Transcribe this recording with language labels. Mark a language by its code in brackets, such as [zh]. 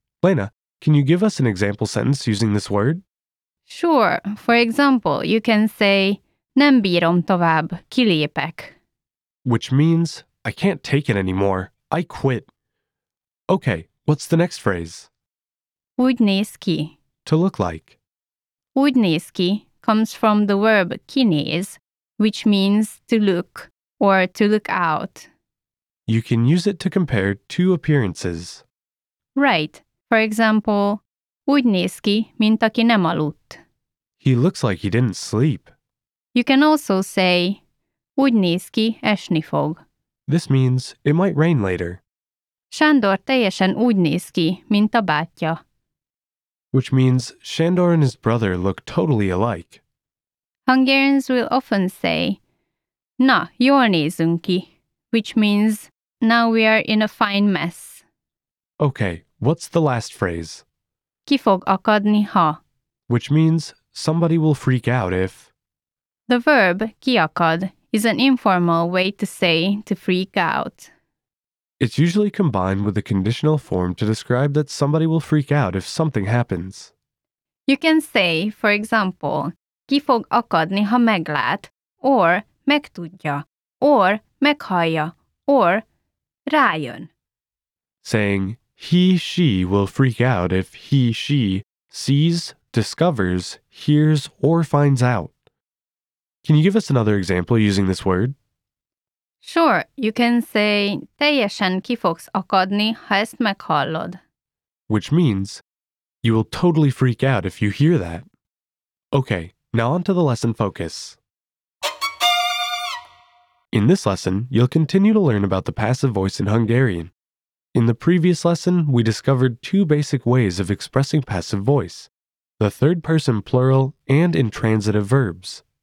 [en] Lena, can you give us an example sentence using this word? Sure. For example, you can say [hu] nem bírom tovább, kilépek, [en] which means I can't take it anymore, I quit. Okay, what's the next phrase? [hu] Úgy néz ki. [en] To look like. Úgy néz ki comes from the verb kinéz, which means to look or to look out. You can use it to compare two appearances. Right. For example, [hu] úgy néz ki, mint aki nem aludt. [en] He looks like he didn't sleep. You can also say [hu] úgy néz ki, esni fog. [en] This means it might rain later. [hu] Sándor teljesen úgy néz ki, mint a bátyja, [en] which means Sándor and his brother look totally alike. Hungarians will often say [hu] na, jól nézünk ki, [en] which means now we are in a fine mess. Okay, what's the last phrase? [hu] Ki fog akadni, ha, [en] which means somebody will freak out if. The verb kiakad is an informal way to say to freak out. It's usually combined with a conditional form to describe that somebody will freak out if something happens. You can say, for example, [hu] ki fog akadni, ha meglát, [en] or megtudja, or meghallja, or rájön. Saying he, she will freak out if he, she sees, discovers, hears, or finds out. Can you give us another example using this word? Sure, you can say [hu] teljesen ki fogsz akadni, ha ezt meghallod, [en] which means you will totally freak out if you hear that. Okay, now on to the lesson focus. In this lesson, you'll continue to learn about the passive voice in Hungarian. In the previous lesson, we discovered two basic ways of expressing passive voice: the third person plural and intransitive verbs.